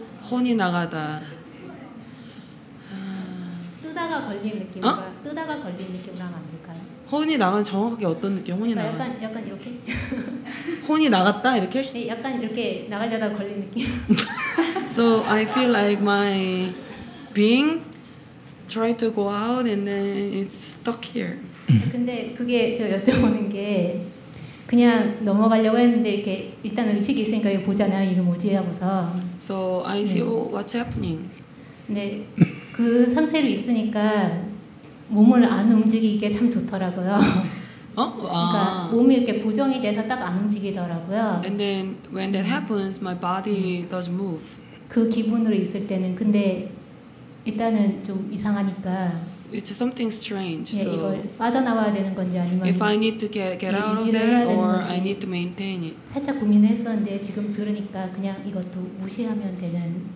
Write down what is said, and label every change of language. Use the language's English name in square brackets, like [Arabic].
[Korean] 혼이 나가다. 뜨다가 걸린 느낌. 어? 뜨다가 걸린 느낌으로 하면 안 될까요? 혼이 나간 정확하게 어떤 느낌? 혼이 나간. 약간 이렇게. 혼이 나갔다 이렇게? 예, 약간 이렇게 나가려다 걸린 느낌. [English] So I feel like my being. Try to go out and then it's stuck here. [Korean] 근데 그게 제가 여쭤보는 게 그냥 넘어가려고 했는데 이렇게 일단 의식이 있으니까 이렇게 보잖아요. 이게 뭐지 하고서. [English] So I see 네. what's happening. [Korean] 근데 그 상태로 있으니까 몸을 안 움직이게 참 좋더라고요. 어? 그러니까 몸이 이렇게 부정이 돼서 딱 안 움직이더라고요. [English] And then when that happens, my body does move. [Korean] 그 기분으로 있을 때는 근데. 일단은 좀 이상하니까. [English] It's something strange. [Korean] 예, [English] so [Korean] 이걸 빠져나와야 되는 건지 아니면 [English] If I need to get out of that or I need to maintain it. [Korean] 살짝 고민을 했었는데 지금 들으니까 그냥 이것도 무시하면 되는.